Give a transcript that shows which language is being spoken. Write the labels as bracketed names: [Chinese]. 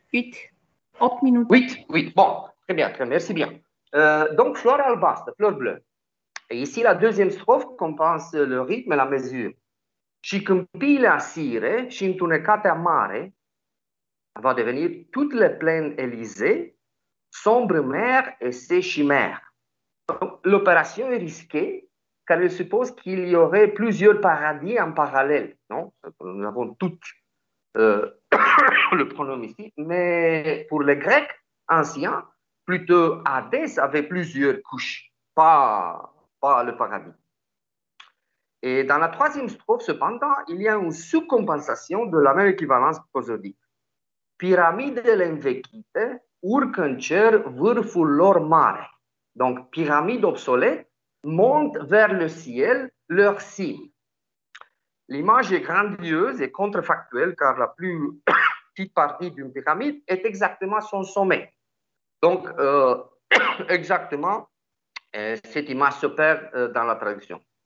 [French] 8, oui, bon, très bien, merci bien. Donc, Flore albastre, fleur bleue. Et ici, la deuxième strophe compense le rythme et la mesure. [Romanian] Și câmpiile asire, și întunecatea mare, [French] va devenir toutes les plaines élysées, sombre mer et ses chimères. Donc, l'opération est risquée, car elle suppose qu'il y aurait plusieurs paradis en parallèle. Non, nous avons tous le pronom ici, mais pour les Grecs anciens, plutôt Hadès avait plusieurs couches, pas le paradis. Et dans la troisième strophe, cependant, il y a une sous-compensation de la même équivalence prosodique. [Romanian] Pyramidele învechite urcă în cer vârful lor mare. [French] Donc, pyramide obsolète montent vers le ciel leur cime. L'image est grandiose et contrefactuelle car la plus petite partie d'une pyramide est exactement son sommet. Donc, exactement, cette image se perd dans la traduction.